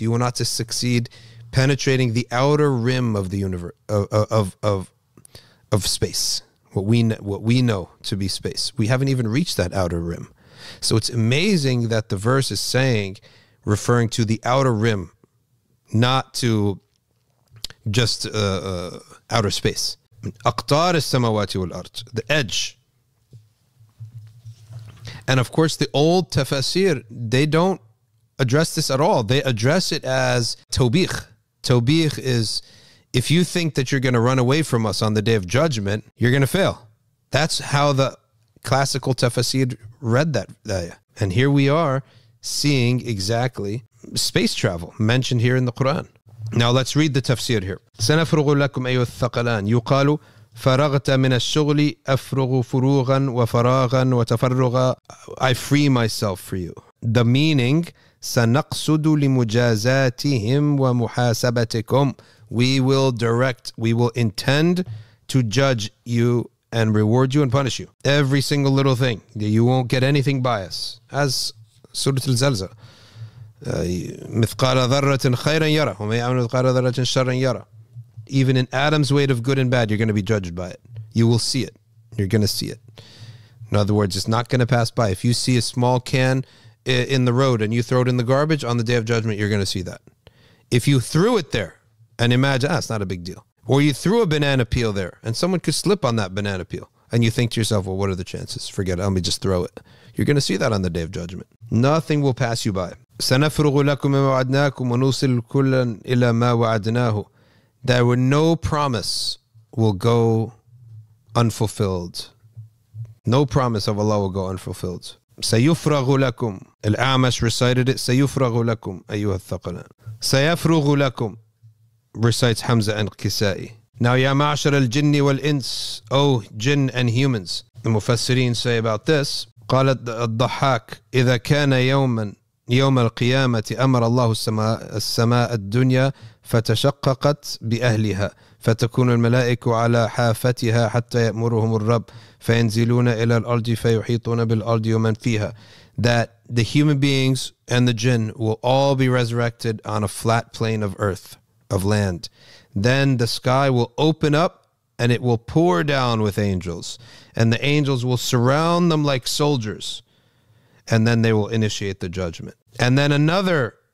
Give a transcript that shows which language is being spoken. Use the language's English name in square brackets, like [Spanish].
[English] You will not just succeed penetrating the outer rim of the universe of space. What we know to be space. We haven't even reached that outer rim. So it's amazing that the verse is saying, referring to the outer rim, not to just outer space. [Arabic] أَقْطَارِ السَّمَوَاتِ وَالْأَرْضِ, [English] the edge. And of course, the old tafasir, they don't address this at all. They address it as tawbikh. Tawbikh is, if you think that you're going to run away from us on the day of judgment, you're going to fail. That's how the classical tafasir read that. And here we are seeing exactly space travel mentioned here in the Quran. Now let's read the tafsir here. [Arabic] سنفرغ لكم أيها الثقلان يقال فرغت من الشغل أفرغ فروغا وفراغا وتفرغا. [English] I free myself for you. The meaning, [Arabic] سنقصد لمجازاتهم ومحاسبتكم. [English] We will direct, we will intend to judge you and reward you and punish you. Every single little thing. You won't get anything by us. As Surah Al-Zalzal. [Arabic] مثقال ذرة خيرا يرى وما يعمل مثقال ذرة شرا يرى. [English] Even an atom's weight of good and bad, you're going to be judged by it. You will see it. You're going to see it. In other words, it's not going to pass by. If you see a small can in the road and you throw it in the garbage, on the day of judgment, you're going to see that. If you threw it there, and imagine, it's not a big deal. Or you threw a banana peel there, and someone could slip on that banana peel. And you think to yourself, well, what are the chances? Forget it. Let me just throw it. You're going to see that on the day of judgment. Nothing will pass you by. [Arabic] سَنَفْرُغُ لَكُمْ مَا وَعَدْنَاكُمْ وَنُوصِلْ كُلًا إِلَى مَا وَعَدْنَاهُ. [English] There were no promise will go unfulfilled. No promise of Allah will go unfulfilled. [Arabic] سَيُفْرَغُ لَكُمْ. [English] Al-A'mash recited it. [Arabic] سَيُفْرَغُ لَكُمْ أَيُّهَا الثَّقَلَانِ. سَيَفْرُغُ لَكُمْ, [English] recites [Arabic] Hamza and Kisai. [English] Now [Arabic] يَا مَعْشَرَ الْجِنِّ وَالْإِنْسِ, [English] O jinn and humans. The Mufassirin say about this, [Arabic] قَالَ الضَّحَاكُ إِذَا كَانَ يَوْمًا يوم القيامة أمر الله السماء الدنيا فتشققت بأهلها فتكون الملائكة على حافتها حتى يأمرهم الرب فينزلون إلى الأرض فيحيطون بالأرض ومن فيها. [English] That the human beings and the jinn will all be resurrected on a flat plane of earth, of land. Then the sky will open up and it will pour down with angels, and the angels will surround them like soldiers. And then they will initiate the judgment. And then another